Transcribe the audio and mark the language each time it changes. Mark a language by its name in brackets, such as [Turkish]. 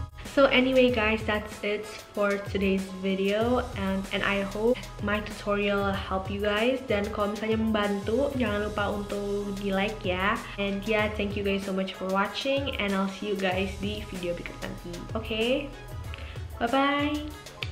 [English] So anyway guys, that's it for today's video and I hope my tutorial help you guys. [Indonesian] Dan kalau misalnya membantu, jangan lupa untuk di like ya. [English] And yeah, thank you guys so much for watching and I'll see you guys [Indonesian] di video berikutnya. [English] Okay, bye bye.